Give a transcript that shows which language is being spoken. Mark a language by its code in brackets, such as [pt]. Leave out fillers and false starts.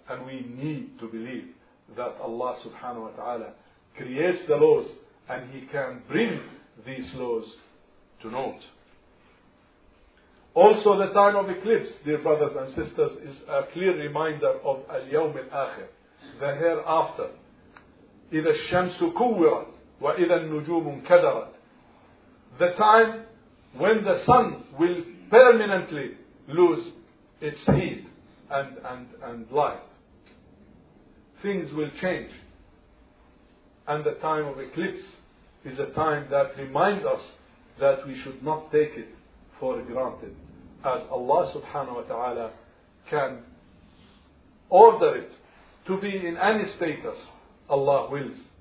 [en] And we need to believe that Allah subhanahu wa ta'ala creates the laws and He can bring these laws to naught. Also, the time of eclipse, dear brothers and sisters, is a clear reminder of [ar] al-yawm al-akhir, [en] the hereafter. [ar] إِذَا الشَّمْسُ كُوِّرَتْ وَإِذَا النُّجُومُ كَدَرَتْ. [en] The time when the sun will permanently lose its heat and light. Things will change. And the time of eclipse is a time that reminds us that we should not take it for granted, as Allah subhanahu wa ta'ala can order it to be in any status Allah wills.